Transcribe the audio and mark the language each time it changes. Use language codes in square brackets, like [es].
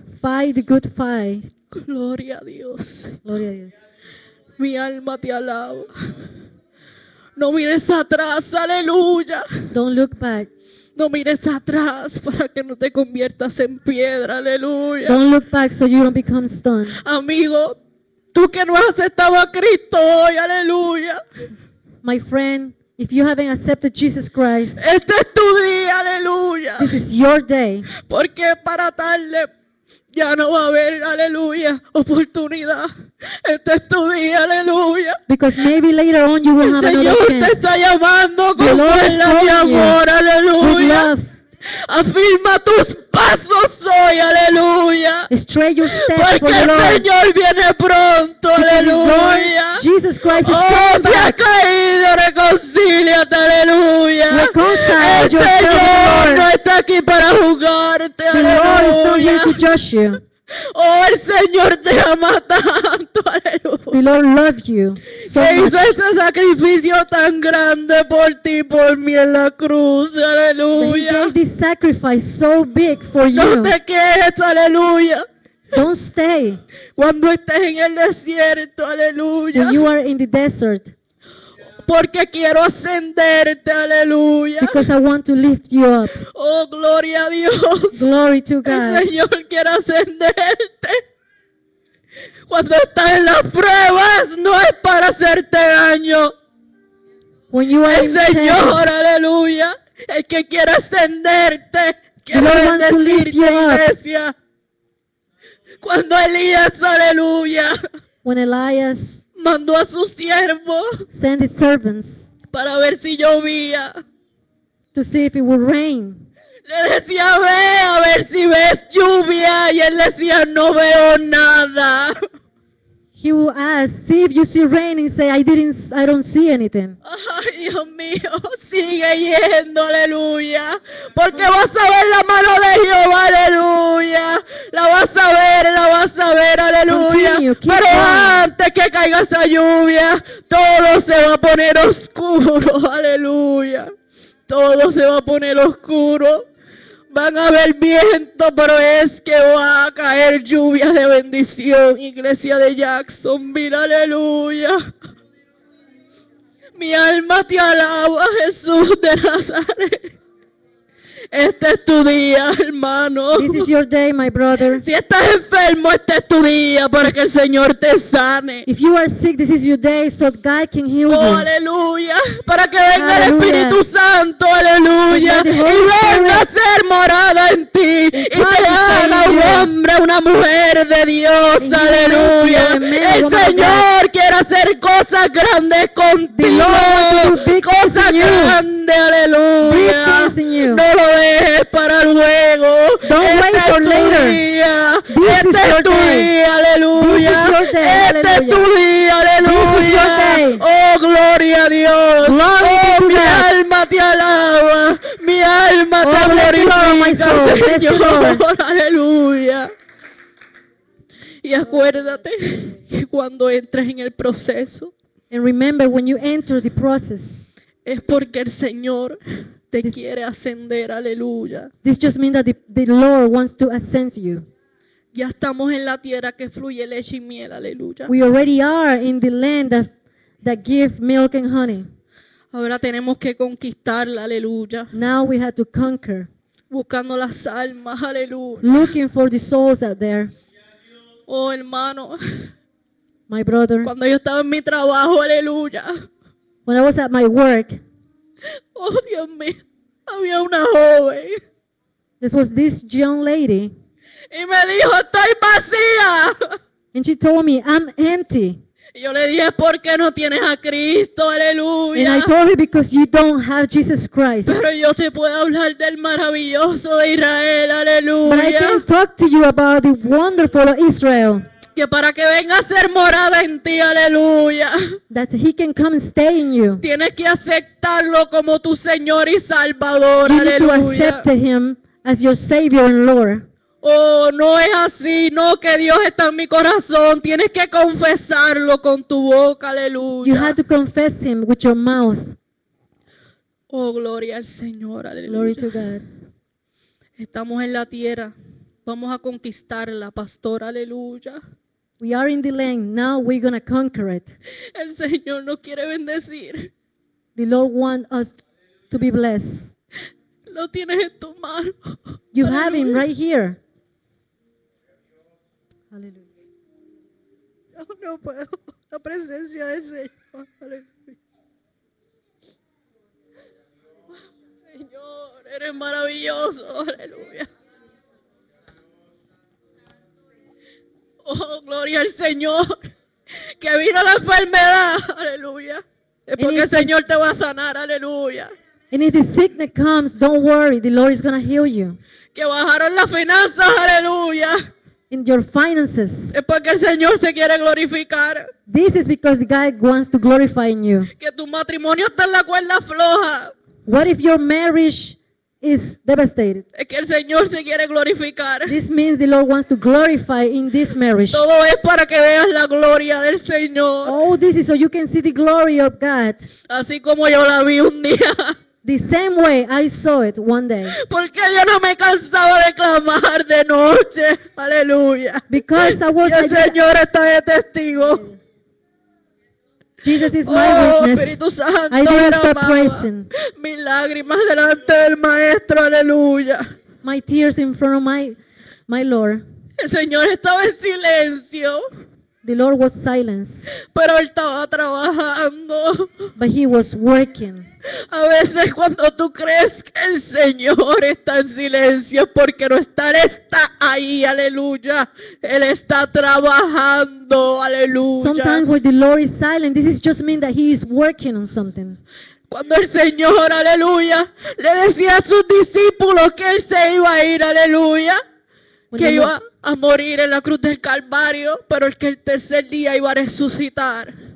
[en] Fight the good fight. [es] Gloria a Dios. Gloria a Dios. Mi alma te alaba. No mires atrás, aleluya. [en] Don't look back. [es] No mires atrás para que no te conviertas en piedra, aleluya. [en] Don't look back so you don't become stone. [es] Amigo, tú que no has aceptado a Cristo hoy, aleluya. [en] My friend, if you haven't accepted Jesus Christ, [es] este es tu día, aleluya. [en] This is your day. [es] Porque para tarde ya no va a haber, aleluya, oportunidad. Este es tu día, aleluya. [en] Because maybe later on you will [es] El [en] have [es] Señor [en] another chance. [es] Te está llamando con fuerza de amor, aleluya. Afirma tus pasos hoy, aleluya. [en] Straight your steps for the Lord. [es] Porque el Señor viene pronto, aleluya. [en] Jesus Christ is coming back. [es] Oh, si has caído, reconcíliate, aleluya. [en] Reconcile yourself. [es] El Señor no está aquí para juzgarte, aleluya. [en] The Lord is not here to judge you. [es] Oh, el Señor te ama tanto, aleluya. [en] The Lord loves you so much. [es] Hizo ese sacrificio tan grande por ti, por mí en la cruz, aleluya. [en] He made this sacrifice so big for you. [es] No te quedes, aleluya. [en] Don't stay. [es] Cuando estés en el desierto, aleluya. [en] When you are in the desert. [es] Porque quiero ascenderte, aleluya. [en] Because I want to lift you up. [es] Oh, gloria a Dios. [en] Glory to God. [es] El Señor quiere ascenderte. Cuando estás en las pruebas, no es para hacerte daño. [en] When you are [es] El Señor, intense. Aleluya. El que quiere ascenderte, quiere bendecirte, iglesia. Cuando Elías, aleluya. [en] When Elias [es] mandó a su siervo, [en] send his servants, [es] para ver si llovía, [en] to see if it would rain. [es] Le decía, ve a ver si ves lluvia, y él decía, no veo nada. [en] He would ask, see if you see rain, and say, I don't see anything. [es] Ay, Dios mío, sigue yendo, aleluya, porque vas a ver la mano de Jehová, aleluya, la vas a ver, aleluya. [en] Continue, [es] pero [en] going. [es] Antes que caiga esa lluvia, todo se va a poner oscuro, aleluya, todo se va a poner oscuro. Van a haber viento, pero es que va a caer lluvia de bendición, iglesia de Jacksonville, aleluya. Mi alma te alaba, Jesús de Nazaret. Este es tu día, hermano. [en] This is your day, my brother. [es] Si estás enfermo, este es tu día para que el Señor te sane. [en] If you are sick, this is your day so God can heal you. [es] Oh, aleluya. Para que venga aleluya. El Espíritu Santo, aleluya. Y venga a ser morada en ti. Y te haga un hombre, una mujer de Dios, [en] and [es] aleluya. El Señor quiere hacer cosas grandes contigo. Cosas grandes, aleluya. Es para luego. [en] Don't [es] este [en] wait for later. [es] Día. Este es tu día, aleluya. Este es tu día, aleluya. Oh, gloria a Dios. [en] Glory [es] oh, mi [en] God. [es] Alma te alaba. Mi alma oh, te glorifica, Señor. Aleluya. Y acuérdate que cuando entres en el proceso. [en] And remember when you enter the process. [es] Es porque el Señor te quiere ascender, aleluya. [en] This just means that the Lord wants to ascend you. [es] Ya estamos en la tierra que fluye leche y miel, aleluya. [en] We already are in the land that gives milk and honey. [es] Ahora tenemos que conquistarla, aleluya. [en] Now we have to conquer. [es] Buscando las almas, aleluya. [en] Looking for the souls out there. [es] Oh, hermano. [en] My brother. [es] Cuando yo estaba en mi trabajo, aleluya. [en] When I was at my work. [es] Oh, Dios mío, había una joven. [en] This was this young lady. [es] Y me dijo, estoy vacía. [en] And she told me, I'm empty. [es] Y yo le dije, ¿por qué no tienes a Cristo? Aleluya. [en] And I told her, because you don't have Jesus Christ. [es] Pero yo te puedo hablar del maravilloso de Israel. Aleluya. [en] But I can talk to you about the wonderful Israel. [es] Que para que venga a ser morada en ti, aleluya. [en] That he can come and stay in you. [es] Tienes que aceptarlo como tu Señor y Salvador, [en] you [es] aleluya. [en] Need to accept him as your Savior and Lord. [es] Oh, no es así, no, que Dios está en mi corazón. Tienes que confesarlo con tu boca, aleluya. [en] You have to confess him with your mouth. [es] Oh, gloria al Señor, aleluya. [en] Glory to God. [es] Estamos en la tierra. Vamos a conquistarla, pastor, aleluya. [en] We are in the land, now we're going to conquer it. [es] El Señor nos quiere bendecir. [en] The Lord wants us to be blessed. [es] Lo tienes en tu mano. [en] You aleluya. Have him right here. [es] Aleluya. Yo no puedo, la presencia del Señor, aleluya. Señor, eres maravilloso, aleluya. Oh, gloria al Señor, que vino la enfermedad, aleluya. Es porque el Señor te va a sanar, aleluya. [en] And if the sickness comes, don't worry, the Lord is going to heal you. [es] Que bajaron las finanzas, aleluya. [en] In your finances. [es] Es porque el Señor se quiere glorificar. [en] This is because God wants to glorify in you. [es] Que tu matrimonio está en la cuerda floja. [en] What if your marriage is devastated? [es] Es que el Señor se quiere glorificar. [en] This means the Lord wants to glorify in this marriage. [es] Todo es para que veas la gloria del Señor. [en] All this is so you can see the glory of God. [es] Así como yo la vi un día. [en] The same way I saw it one day. [es] Porque yo no me cansaba de clamar de noche. Aleluya. [en] Because I was. [es] Y el Señor está de testigo. [en] Jesus is my witness. [es] Espíritu Santo, [en] I didn't stop praising. [es] Mis lágrimas delante del Maestro, aleluya. [en] My tears in front of my Lord. [es] El Señor estaba en silencio. [en] The Lord was silent. [es] Pero él estaba trabajando. [en] But he was working. [es] A veces cuando tú crees que el Señor está en silencio porque no está, él está ahí, aleluya. Él está trabajando, aleluya. [en] Sometimes when the Lord is silent, this is just mean that he is working on something. [es] Cuando el Señor, aleluya, le decía a sus discípulos que él se iba a ir, aleluya, que iba a morir en la cruz del Calvario, pero que el tercer día iba a resucitar.